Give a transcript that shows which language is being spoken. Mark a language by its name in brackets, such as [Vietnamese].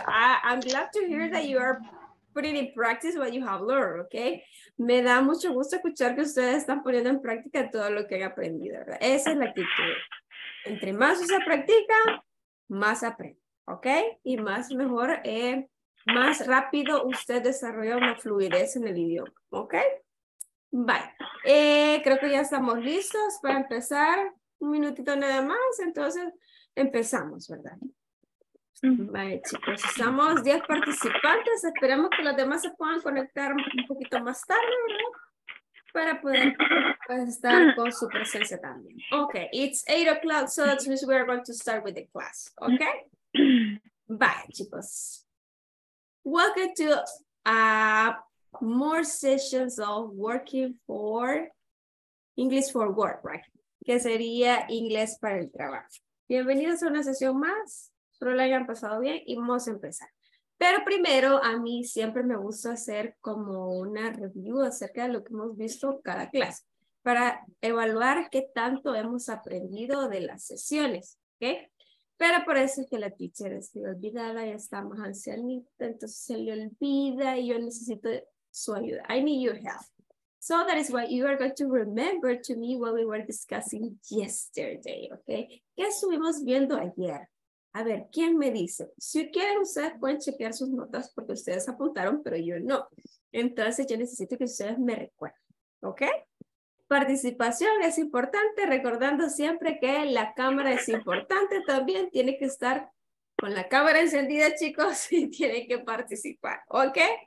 [English] I'm glad to hear that you are putting in practice what you have learned, okay? [Spanish] Me da mucho gusto escuchar que ustedes están poniendo en práctica todo lo que han aprendido, ¿verdad? Esa es la actitud. Entre más usted practica, más aprende, ¿okay? Y más mejor, más rápido usted desarrolla una fluidez en el idioma, ¿okay? Vale. Creo que ya estamos listos para empezar. Un minutito nada más, entonces empezamos, ¿verdad? Vale, chicos, estamos 10 participantes. Esperemos que los demás se puedan conectar un poquito más tarde, ¿verdad? Para poder estar con su presencia también. [English] Ok, it's 8 o'clock, so that means we are going to start with the class. Ok. Bye, chicos. Welcome to more sessions of working for English for work, right? [Spanish] Que sería inglés para el trabajo. Bienvenidos a una sesión más. Espero la hayan pasado bien y vamos a empezar. Pero primero, a mí siempre me gusta hacer como una review acerca de lo que hemos visto cada clase para evaluar qué tanto hemos aprendido de las sesiones, ¿ok? Pero por eso es que la teacher está olvidada, ya está más ancianita, entonces se le olvida y yo necesito su ayuda. [English] I need your help. So that is why you are going to remember to me what we were discussing yesterday, ¿ok? [Spanish] ¿Qué estuvimos viendo ayer? A ver, ¿quién me dice? Si quieren, ustedes pueden chequear sus notas porque ustedes apuntaron, pero yo no. Entonces, yo necesito que ustedes me recuerden, ¿ok? Participación es importante, recordando siempre que la cámara es importante. También tiene que estar con la cámara encendida, chicos, y tiene que participar, ¿ok?